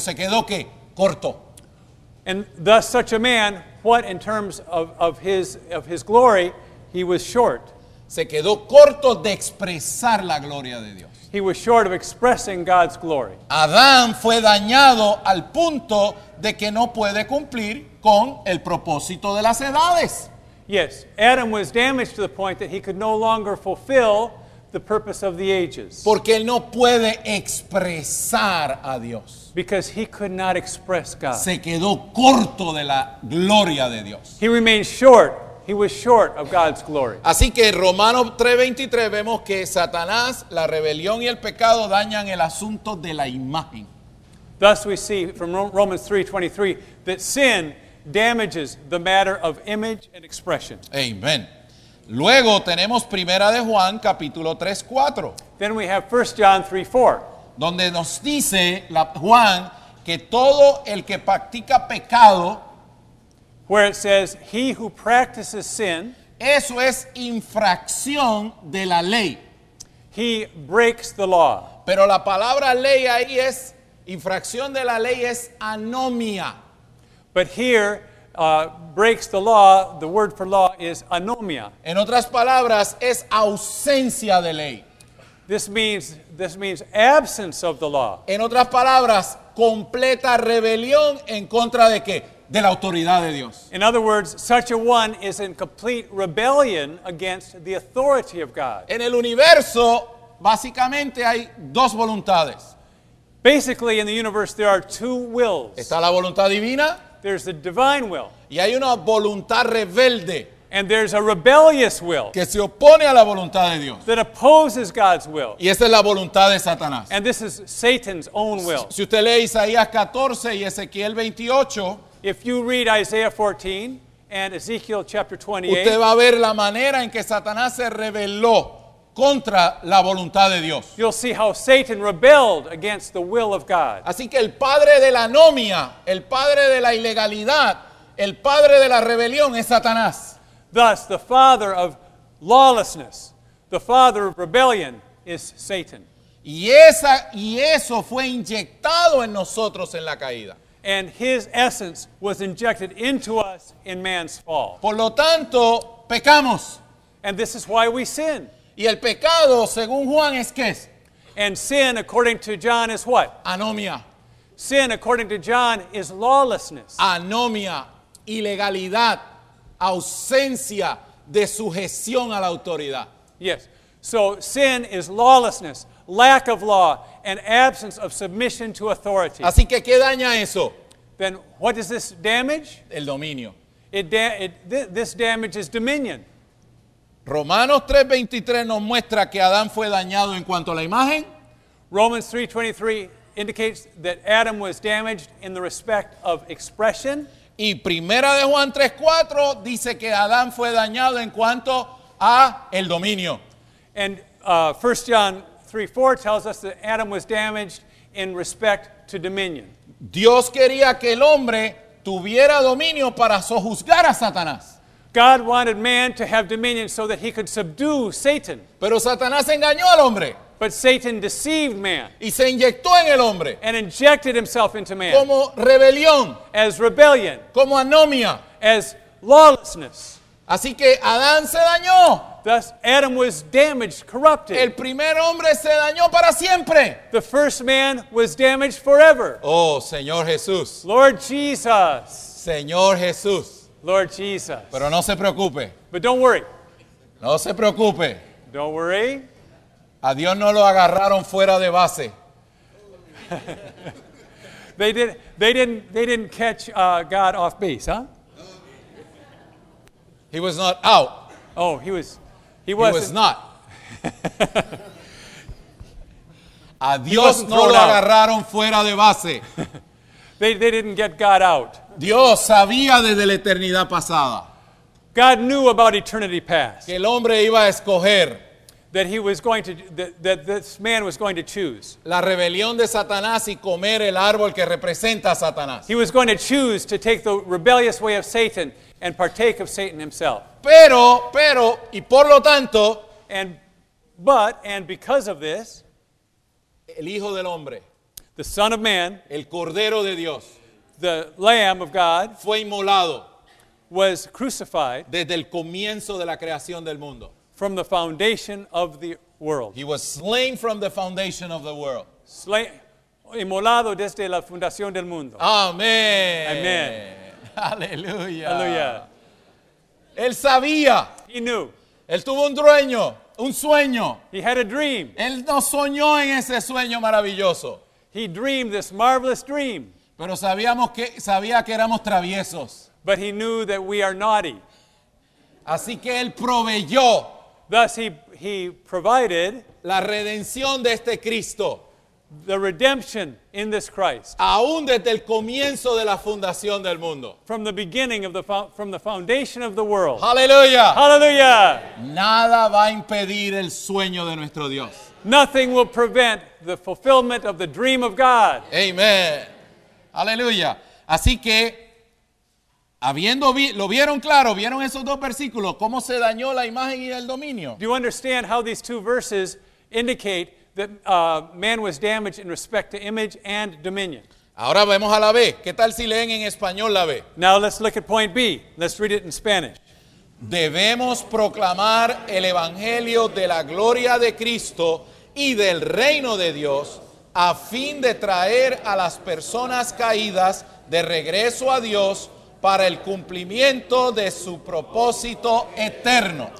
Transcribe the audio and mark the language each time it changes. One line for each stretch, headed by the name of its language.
Spanish: Se quedó, ¿qué? Corto.
English: And thus such a man, what in terms of his glory, he was short.
Spanish: Se quedó corto de expresar la gloria de Dios.
English: He was short of expressing God's glory.
Spanish: Adán fue dañado al punto de que no puede cumplir con el propósito de las edades.
English: Yes, Adam was damaged to the point that he could no longer fulfill the purpose of the ages.
Spanish: Porque él no puede expresar a Dios.
English: Because he could not express God.
Spanish: Se quedó corto de la gloria de Dios.
English: He remained short. He was short of God's glory.
Spanish: Así que en Romanos 3:23 vemos que Satanás, la rebelión y el pecado dañan el asunto de la imagen.
English: Thus we see from Romans 3:23 that sin damages the matter of image and expression. Amen.
Spanish: Luego tenemos Primera de Juan capítulo 3:4.
English: Then we have 1 John 3:4.
Spanish: Donde nos dice Juan que todo el que practica pecado,
English: where it says, he who practices sin,
Spanish: eso es infracción de la ley.
English: He breaks the law.
Spanish: Pero la palabra ley ahí es, infracción de la ley es anomia.
English: But here, breaks the law, the word for law is anomia.
Spanish: En otras palabras, es ausencia de ley.
English: This means absence of the law.
Spanish: En otras palabras, completa rebelión en contra de qué? De la autoridad de Dios.
English: In other words, such a one is in complete rebellion against the authority of God.
Spanish: En el universo, básicamente hay dos voluntades.
English: Basically, in the universe, there are two wills.
Spanish: Está la voluntad divina.
English: There's the divine will.
Spanish: Y hay una voluntad rebelde.
English: And there's a rebellious will.
Spanish: Que se opone a la voluntad de Dios.
English: That opposes God's will.
Spanish: Y esa es la voluntad de Satanás.
English: And this is Satan's own will.
Spanish: Si usted lee Isaías 14 y Ezequiel 28,
English: if you read Isaiah 14 and Ezekiel chapter 28,
Spanish: usted va a ver la manera en que Satanás se rebeló contra la voluntad de Dios.
English: You'll see how Satan rebelled against the will of God.
Spanish: Así que el padre de la anomia, el padre de la ilegalidad, el padre de la rebelión es Satanás.
English: Thus, the father of lawlessness, the father of rebellion is Satan.
Spanish: Y eso fue inyectado en nosotros en la caída.
English: And his essence was injected into us in man's fall.
Spanish: Por lo tanto, pecamos.
English: And this is why we sin.
Spanish: Y el pecado, según Juan, ¿es qué es?
English: And sin, according to John, is what?
Spanish: Anomia.
English: Sin, according to John, is lawlessness.
Spanish: Anomia, ilegalidad, ausencia de sujeción a la autoridad.
English: Yes. So sin is lawlessness, lack of law, an absence of submission to authority.
Spanish: Así que, ¿qué daña eso?
English: Then what does this damage?
Spanish: El dominio.
English: This damage is dominion.
Spanish: Romanos 3:23 nos muestra que Adán fue dañado en cuanto a la imagen.
English: Romans 3:23 indicates that Adam was damaged in the respect of expression.
Spanish: Y Primera de Juan 3:4 dice que Adán fue dañado en cuanto a el dominio.
English: And 1 John 3:4 tells us that Adam was damaged in respect to dominion.
Spanish: Dios quería que el hombre tuviera dominio para sojuzgar a Satanás.
English: God wanted man to have dominion so that he could subdue Satan.
Spanish: Pero Satanás engañó al hombre.
English: But Satan deceived man.
Spanish: Y se inyectó en el hombre.
English: And injected himself into man.
Spanish: Como rebelión.
English: As rebellion.
Spanish: Como anomia.
English: As lawlessness.
Spanish: Así que Adán se dañó.
English: Thus, Adam was damaged, corrupted.
Spanish: El primer hombre se dañó para siempre.
English: The first man was damaged forever.
Spanish: Oh, Señor Jesús.
English: Lord Jesus.
Spanish: Señor Jesús.
English: Lord Jesus.
Spanish: Pero no se preocupe.
English: But don't worry.
Spanish: No se preocupe.
English: Don't worry.
Spanish: A Dios no lo agarraron fuera de base.
English: They didn't catch God off base, huh? He was not out. Oh, he wasn't. He was not.
Spanish: A Dios no lo agarraron fuera de base.
English: They didn't get God out.
Spanish: Dios sabía desde la eternidad pasada.
English: God knew about eternity past.
Spanish: Que el hombre iba a escoger.
English: That he was going to, that this man was going to choose.
Spanish: La rebelión de Satanás y comer el árbol que representa a Satanás.
English: He was going to choose to take the rebellious way of Satan and partake of Satan himself.
Spanish: Pero, y por lo tanto.
English: And because of this.
Spanish: El Hijo del Hombre.
English: The Son of Man.
Spanish: El Cordero de Dios.
English: The Lamb of God.
Spanish: Fue inmolado.
English: Was crucified.
Spanish: Desde el comienzo de la creación del mundo.
English: From the foundation of the world. He was slain from the foundation of the world.
Spanish: Slain, inmolado desde la fundación del mundo. Amén. Amén. Aleluya. Aleluya. Él sabía.
English: He knew.
Spanish: Él tuvo un sueño. Un sueño.
English: He had a dream.
Spanish: Él no soñó en ese sueño maravilloso.
English: He dreamed this marvelous dream.
Spanish: Pero sabía que éramos traviesos.
English: But he knew that we are naughty.
Spanish: Así que él proveyó.
English: Thus he provided
Spanish: la redención de este Cristo.
English: The redemption in this Christ.
Spanish: Aún desde el comienzo de la fundación del mundo.
English: From the beginning of the foundation of the world. Hallelujah. Hallelujah.
Spanish: Nada va a impedir el sueño de nuestro Dios.
English: Nothing will prevent the fulfillment of the dream of God. Amen. Hallelujah.
Spanish: Así que habiendo lo vieron claro, vieron esos dos versículos, cómo se dañó la imagen y el dominio.
English: Do you understand how these two verses indicate that man was damaged in respect to image and dominion?
Spanish: Ahora vamos a la B. ¿Qué tal si leen en español la B?
English: Now let's look at point B. Let's read it in Spanish.
Spanish: Debemos proclamar el evangelio de la gloria de Cristo y del reino de Dios a fin de traer a las personas caídas de regreso a Dios para el cumplimiento de su propósito eterno.